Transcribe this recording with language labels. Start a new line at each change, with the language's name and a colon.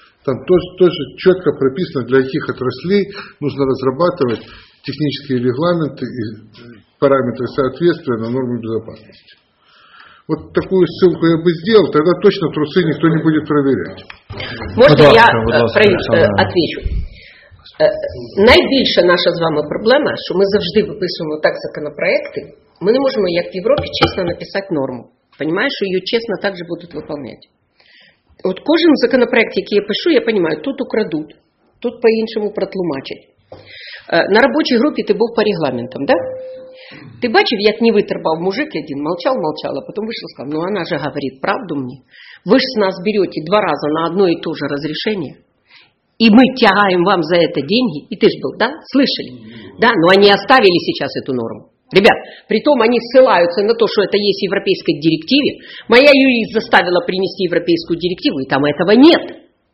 Russian: Там тоже четко прописано, для каких отраслей нужно разрабатывать технические регламенты и параметры соответствия на нормы безопасности. Вот такую ссылку я бы сделал, тогда точно трусы никто не будет проверять. Можно я отвечу?
Ukrainian: Найбільша наша з вами проблема, що ми завжди виписуємо так законопроекти, ми не можемо, як в Європі, чесно написати норму. Понимаєш, що її чесно так же будуть виконувати. От кожен законопроект, який я пишу, я розумію, тут украдуть, тут по-іншому протлумачать. На робочій групі ти був по регламентам, так? Да? Ти бачив, як не витерпав мужик один, мовчав, а потім вийшов і сказав, ну вона же говорить правду мені.
Russian: Ви ж з нас берете два рази на одне і те ж розрішення, и мы тягаем вам за это деньги, и ты же был, да, слышали, да, но они оставили сейчас эту норму. Ребят, при том они ссылаются на то, что это есть в европейской директиве, моя юрист заставила принести европейскую директиву, и там этого нет.